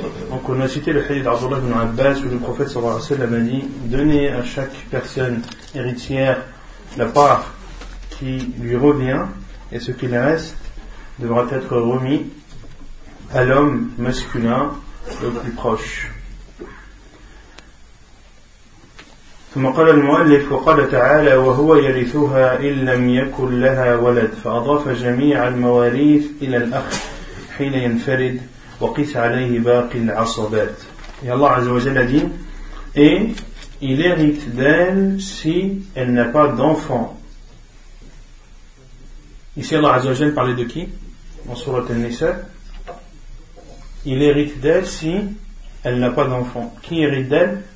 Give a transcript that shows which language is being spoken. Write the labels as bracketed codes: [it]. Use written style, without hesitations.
[fr] Donc on a cité le hadith d'Abdullah ibn Abbas où le prophète [ar] sallallahu alayhi wa sallam [fr] a dit « Donnez à chaque personne héritière la part qui lui revient et ce qu'il reste devra être remis à l'homme masculin le plus proche. [ar] ثم قال المؤلف وقال تعالى وهو يرثها إن لم يكن لها ولد فأضاف جميع المواريث إلى الأخ حين ينفرد وقيس عليه باقي العصبات. [fr] Et Allah [ar] عز وجل [fr] a dit et il hérite d'elle si elle n'a pas d'enfant. Ici Allah [ar] عز وجل [fr] parlait de qui? En sourate An-Nisa. Il hérite d'elle si elle n'a pas d'enfant. Qui hérite d'elle?